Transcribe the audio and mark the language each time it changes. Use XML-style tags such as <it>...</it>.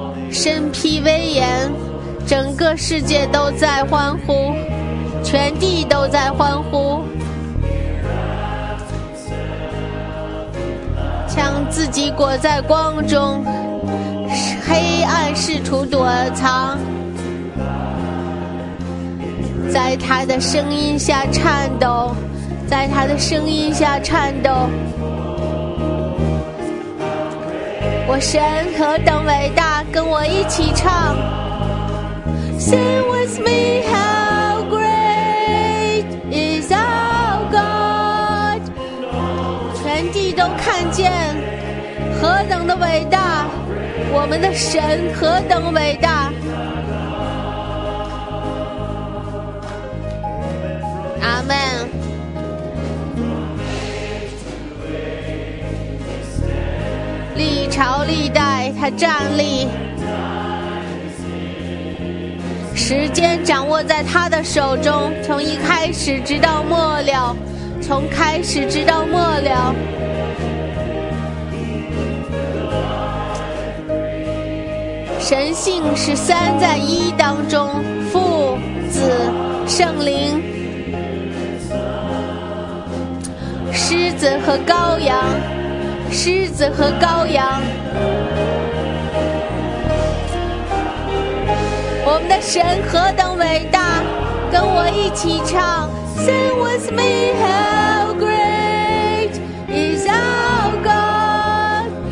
<zh>身披威严，整个世界都在欢呼，全地都在欢呼，将自己裹在光中，黑暗试图躲藏，在他的声音下颤抖，在他的声音下颤抖。我神何等伟大，跟我一起唱。</zh> <en>Sing with me, how great is our God.</en> <zh>全地都看见何等的伟大，我们的神何等伟大。阿们。历朝历代他站立，时间掌握在他的手中，从一开始直到末了，从开始直到末了。神性是三在一当中，父子圣灵，狮子和羔羊，狮子和羔羊。我们的神何等伟大，跟我一起唱。</zh> <en>Sing with me, how great is our God.</en>